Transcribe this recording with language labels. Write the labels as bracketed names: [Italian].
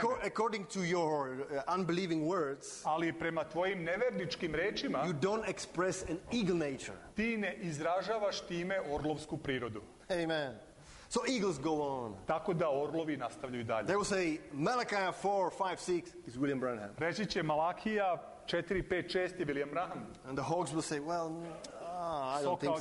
[English] But according to your unbelieving words, [Serbian] ali prema tvojim neverničkim rečima, [English] you don't express an eagle nature. [Serbian] Ti ne izražavaš time orlovsku prirodu. [English] Amen. So eagles go on. [Serbian] Tako da orlovi nastavljaju dalje. [English] They will say Malachi 4:5-6 is William Branham. [Serbian] Reći će Malakija 4:5-6 je William Branham. [English] And the hawks will say, well, I don't think so.